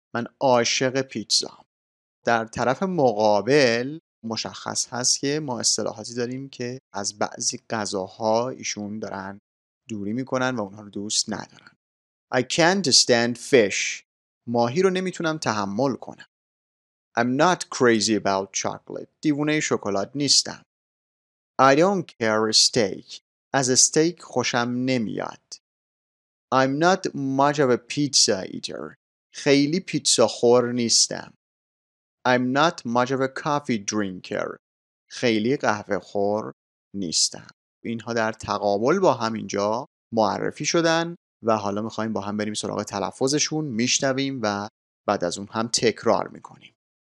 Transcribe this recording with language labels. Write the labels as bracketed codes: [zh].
[fa] من عاشق پیتزام. در طرف مقابل مشخص هست که ما اصطلاحاتی داریم که از بعضی غذاها ایشون دارن دوری میکنن و اونها رو دوست ندارن. [en] I can't stand fish. [fa] ماهی رو نمیتونم تحمل کنم. [en] I'm not crazy about chocolate. [fa] دیوونه شکلات نیستم. [en] I don't care steak. [fa] از steak خوشم نمیاد. [en] I'm not much of a pizza eater. [fa] خیلی پیتزا خور نیستم. [en] I'm not much of a coffee drinker. [fa] خیلی قهوه خور نیستم. اینها در تقابل با هم اینجا معرفی شدن و حالا میخواییم با هم بریم سراغ تلفظشون، میشنویم و بعد از اون هم تکرار میکنیم.